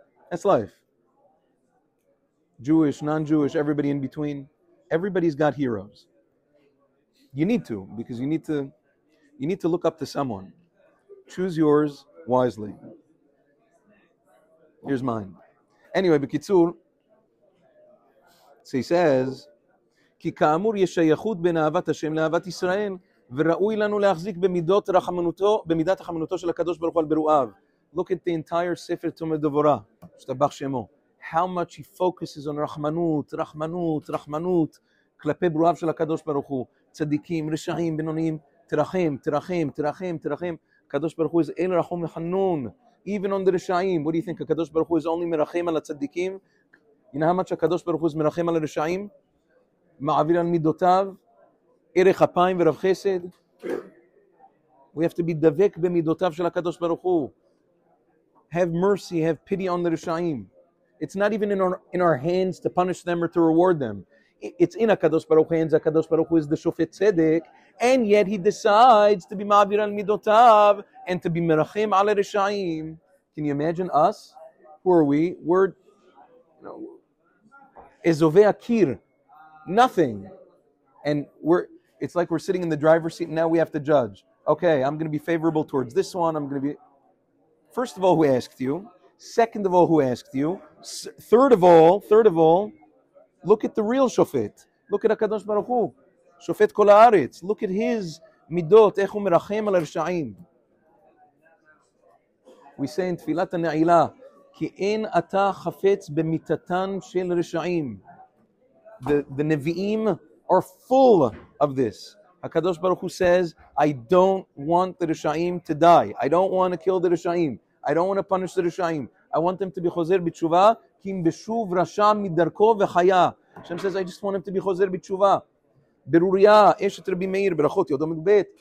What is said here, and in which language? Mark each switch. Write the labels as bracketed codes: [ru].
[en] That's life. Jewish, non-Jewish, everybody in between. Everybody's got heroes. You need to, because you need to look up to someone. Choose yours wisely. Here's mine. [he] Anyway, בקיצור, so he says, כי כאמור יש שייכות בין אהבת השם לאהבת ישראל, וראוי לנו להחזיק במידות רחמנותו, במידת רחמנותו של הקדוש ברוך הוא על ברואיו. [en] Look at the entire Sefer Tumah Devorah, שתבח שמו. [he] How much he focuses on רחמנות, רחמנות, רחמנות, כלפי ברואיו של הקדוש ברוך הוא, צדיקים, רשעים, בינוניים, תרחם, תרחם, תרחם, תרחם. הקדוש ברוך הוא is אל רחום וחנון. [en] Even on the רשעים, what do you think? [he] הקדוש ברוך הוא is only מרחם על הצדיקים? You know how much הקדוש ברוך הוא is מרחם על הרשעים? מעביר על מידותיו? ערך הפיים ורב חסד? [en] We have to be דבק במידותיו של הקדוש ברוך הוא. Have mercy, have pity on the רשעים. It's not even in our hands to punish them or to reward them. It's in HaKadosh Baruch Hu, and HaKadosh Baruch Hu is the Shofet Tzedek, and yet he decides to be Ma'avir al Midotav, and to be Merachim al Rishayim. Can you imagine us? Who are we? We're, you know, Ezove Akir, nothing. And it's like we're sitting in the driver's seat, and now we have to judge. Okay, I'm going to be favorable towards this one. I'm going to be, first of all, who asked you? Second of all, who asked you? Third of all, look at the real Shofet. Look at HaKadosh Baruch Hu. Shofet Kol Haaretz. [he] Look at his midot, איך הוא מרחם על הרשעים. We say in תפילת הנעילה, כי אין אתה חפץ במיטתן של רשעים. [en] The נביאים are full of this. HaKadosh Baruch Hu says, I don't want the רשעים to die. I don't want to kill the רשעים. I don't want to punish the רשעים. I want them to be חוזר בתשובה, kim beshuv rasha midarko vechaya. Hashem says, I just want him to be chozer b'tshuva. Beruria, eshet Rabbi Meir, berachot, yodom edubet.